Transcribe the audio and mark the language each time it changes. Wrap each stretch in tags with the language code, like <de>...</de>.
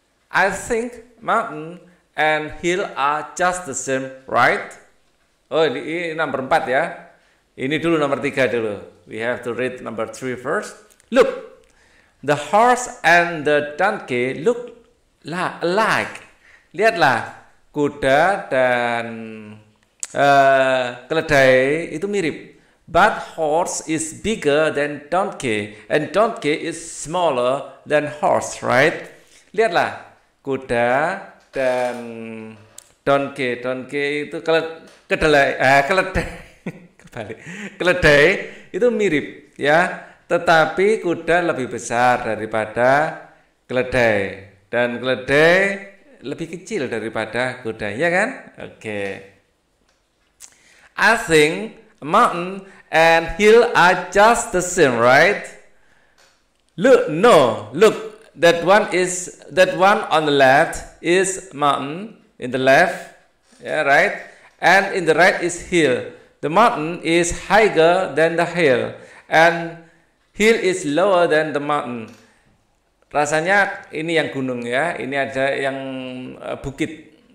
<en>I think mountain and hill are just the same, right?</en> <id>Oh, ini nomor 4 ya. Ini dulu nomor 3 dulu.</id> <en>We have to read number 3 first. Look, the horse and the donkey look alike.</en> <id>Lihatlah, kuda dan keledai itu mirip.</id> <en>But horse is bigger than donkey, and donkey is smaller than horse, right?</en> <id>Lihatlah, kuda dan donkey itu keledai itu mirip ya, tetapi kuda lebih besar daripada keledai dan keledai lebih kecil daripada kuda, ya kan? Oke. Okay.</id> <en>I think mountain and hill are just the same, right? Look, no, look. That one on the left is mountain in the left, yeah, right? And in the right is hill. The mountain is higher than the hill, and hill is lower than the mountain.</en> <id>Rasanya ini yang gunung ya, ini ada yang bukit.</id>